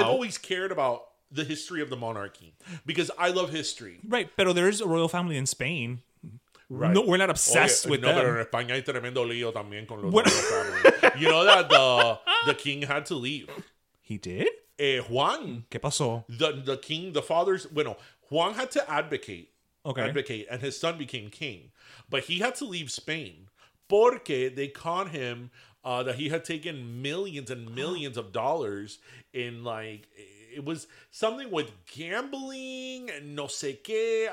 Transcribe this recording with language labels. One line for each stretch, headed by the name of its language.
English: I've always cared about the history of the monarchy because I love history. Right, but there's a royal family in Spain. Right. No, we're not obsessed with them.
Spanish: No, pero en España hay tremendo lío también con los
English: royal families. You know that the king had to leave. He did? Juan.
Spanish: ¿Qué pasó?
English: The king, the father's...
Spanish: Bueno,
English: Juan had to advocate. Okay. Advocate, and his son became king. But he had to leave Spain.
Spanish: Porque
English: they caught him that he had taken millions and millions of dollars in, like, it was something with gambling and
Spanish: no sé qué.